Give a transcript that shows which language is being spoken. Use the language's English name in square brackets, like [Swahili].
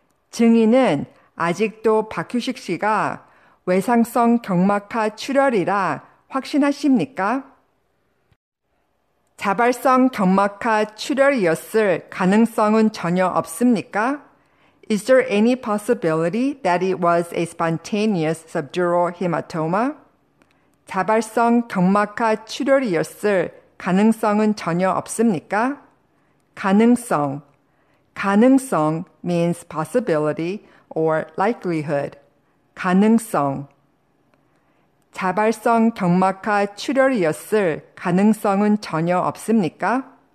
[Korean] 증인은 아직도 박효식 씨가 외상성 경막하 출혈이라 확신하십니까? 자발성 경막하 출혈이었을 가능성은 전혀 없습니까? [English] Is there any possibility that it was a spontaneous subdural hematoma? [Korean] 자발성 경막하 출혈이었을 가능성은 전혀 없습니까? [English] 가능성. 가능성 means possibility or likelihood. [Korean] 가능성. 자발성 경막하 출혈이었을 가능성은 전혀 없습니까?